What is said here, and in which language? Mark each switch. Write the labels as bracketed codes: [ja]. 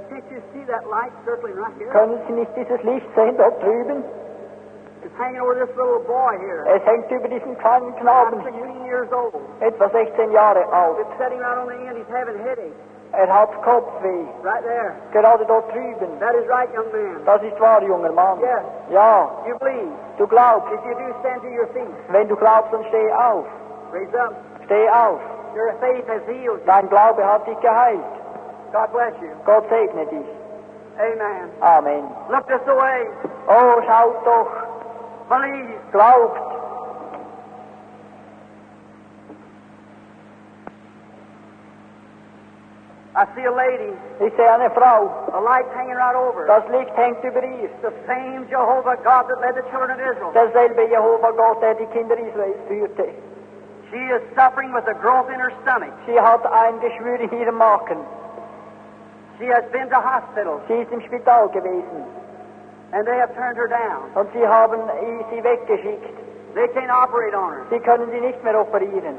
[en] Can't you see that light circling right here? [de] Können Sie nicht dieses Licht sehen dort drüben? [en] It's hanging over this little boy here. [de] Es hängt über diesen kleinen Knaben. [en] About 16 years old. [de] Etwa 16 Jahre alt. [en] It's sitting right on the end. He's having a headache. [de] Er hat Kopfweh. [en] Right there. [de] Gerade dort drüben. [en] That is right, young man. [de] Das ist wahr, junger Mann. [en] Yes. [de] Ja. [en] You believe. [de] Du glaubst. [en] If you do, stand to your feet. [de] Wenn du glaubst, dann steh auf. [en] Raise up. [de] Steh auf. [en] Your faith has healed you. [de] Dein Glaube hat dich geheilt. [en] God bless you. [de] Gott segne dich. [en] Amen. [de] Amen. [en] Look this way. [de] Oh, schaut doch. [en] Believe. [de] Glaubt. [en] I see a lady. [de] Ich sehe eine Frau. [en] A light hanging right over. [de] Das Licht hängt über ihr. [en] The same Jehovah God that led the children of Israel. [de] Derselbe Jehovah Gott, der die Kinder Israels führte. [en] She is suffering with a growth in her stomach. [de] Sie hat ein Geschwür in ihrem Magen. [en] She has been to hospital. [de] Sie ist im Spital gewesen. [en] And they have turned her down. [de] Und sie haben sie weggeschickt. [en] They can't operate on her. [de] Sie können sie nicht mehr operieren.